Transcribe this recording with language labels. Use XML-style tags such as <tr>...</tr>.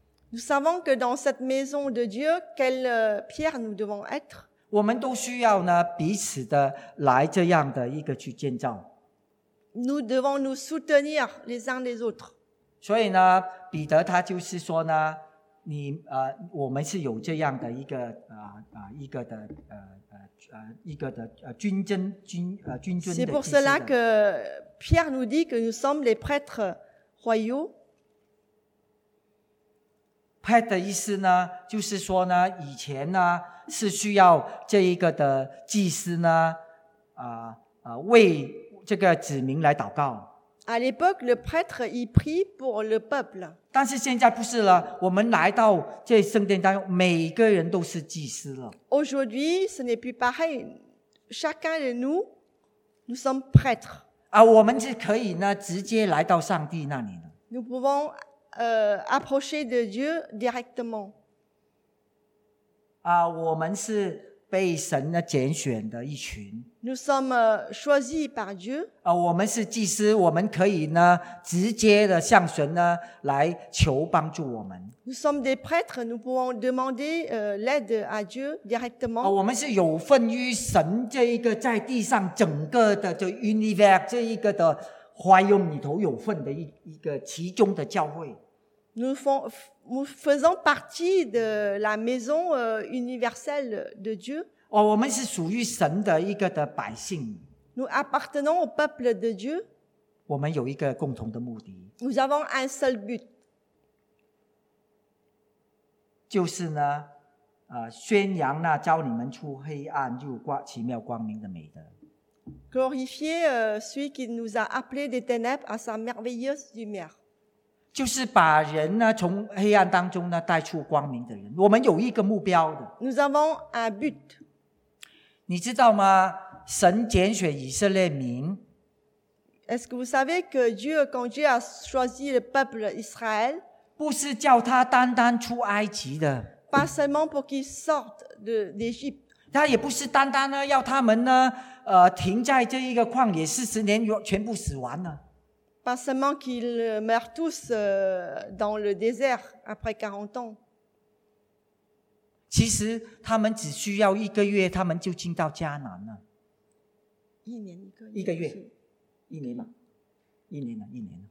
<fr>Nous savons que dans cette maison de Dieu quelle pierre nous devons être</fr> <zh>我们都需要呢彼此的来这样的一个去建造。</zh> <fr>Nous devons nous soutenir les uns les autres.</fr> <zh>所以呢彼得他就是说呢你我们是有这样的一个一个的一个的君尊君君尊的体系的。</zh> <fr>C'est pour cela que Pierre nous dit que nous sommes les prêtres royaux.</fr> <zh>Prêtre 的意思呢，就是说呢，以前呢是需要这一个的祭司呢为这个子民来祷告。</zh> <fr>À l'époque, le prêtre y prie pour le peuple.</fr> <zh>但是现在不是了，我们来到这圣殿当中，每个人都是祭司了。</zh> <fr>Aujourd'hui, ce n'est plus pareil. Chacun de nous, nous sommes prêtres.</fr> <zh>啊，我们是可以呢，直接来到上帝那里的。</zh> <fr>Nous pouvons approcher de Dieu directement.</fr> <zh>啊，我们是被神呢拣选的一群。</zh> <fr>Nous sommes choisis par Dieu.</fr> <zh>啊，我们是祭司，我们可以呢直接的向神呢来求帮助我们。</zh> <fr>Nous sommes des prêtres, nous pouvons demander l'aide à Dieu directement.</fr> <zh>啊，我们是有份于神这一个在地上整个的这 universe 这一个的royaume里头有份的一个其中的教会。</zh> <fr>Nous faisons partie de la maison universelle de Dieu.</fr> <zh>哦，我们是属于神的一个的百姓。</zh> <fr>Nous appartenons au peuple de Dieu.</fr> <zh>我们有一个共同的目的。</zh> <fr>Nous avons un seul but.</fr> <zh>就是呢，宣扬那召你们出黑暗入奇妙光明的美德。</zh> <fr>Glorifier celui qui nous a appelés des ténèbres à sa merveilleuse lumière.</fr> <zh>就是把人呢从黑暗当中呢带出光明的人，我们有一个目标的。</zh> <fr>Nous avons un but.</fr> <zh>你知道吗？神拣选以色列民。</zh> <fr>Est-ce que vous savez que Dieu, quand Dieu a choisi le peuple Israël,</fr> <zh>不是叫他单单出埃及的。</zh> <fr>Pas seulement pour qu'ils sortent de l'Égypte.</fr> <zh>他也不是单单呢要他们呢停在这一个旷野四十年，全部死完了。</zh> <fr>Pas seulement qu'ils meurent tous dans le désert après 40 ans.</fr> <zh>其实他们只需要一个月，他们就进到迦南了。一年一个月。一个月，一年嘛，一年了，一年</zh>